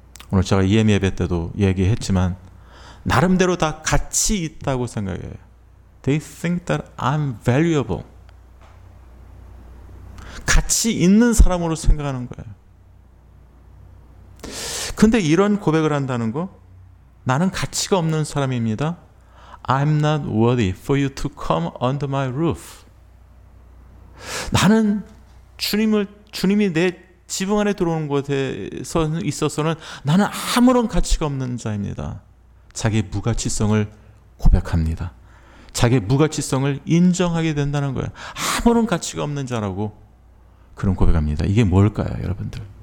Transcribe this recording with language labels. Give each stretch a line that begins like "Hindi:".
Korean: 오늘 제가 EM 예배 때도 얘기했지만 나름대로 다 가치 있다고 생각해요.
English: They think that I'm valuable.
Korean: 가치 있는 사람으로 생각하는 거예요. 근데 이런 고백을 한다는 거 나는 가치가 없는 사람입니다.
English: I'm not worthy for you to come under my roof.
Korean: 나는 주님이 내 지붕 안에 들어오는 곳에서 있어서는 나는 아무런 가치가 없는 자입니다. 자기의 무가치성을 고백합니다. 자기의 무가치성을 인정하게 된다는 거예요. 아무런 가치가 없는 자라고 그런 고백합니다. 이게 뭘까요, 여러분들?